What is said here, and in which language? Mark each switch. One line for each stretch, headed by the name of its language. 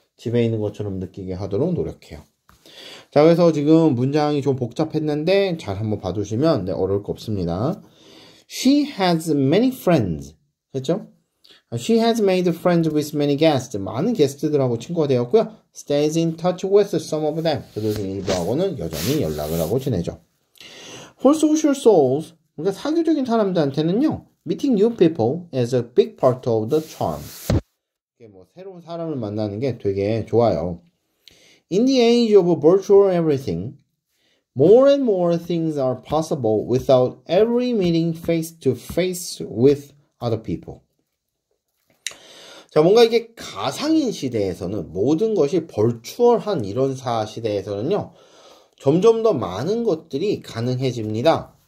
Korean: 집에 있는 것처럼 느끼게 하도록 노력해요. 자, 그래서 지금 문장이 좀 복잡했는데 잘 한번 봐두시면 네, 어려울 거 없습니다.
English: She has many friends.
Korean: 그렇죠?
English: She has made friends with many guests.
Korean: 많은 게스트들하고 친구가 되었고요.
English: Stays in touch with some of them.
Korean: 그들 중 일부하고는 여전히 연락을 하고 지내죠.
English: For social souls,
Korean: 그러니까 사교적인 사람들한테는요.
English: Meeting new people is a big part of the charm.
Korean: 이게 뭐 새로운 사람을 만나는 게 되게 좋아요.
English: In the age of virtual everything, more and more things are possible without every meeting face to face with other people.
Korean: 자, 뭔가 이게 가상인 시대에서는 모든 것이 버추얼한 이런 시대에서는요, 점점 더 많은 것들이 가능해집니다.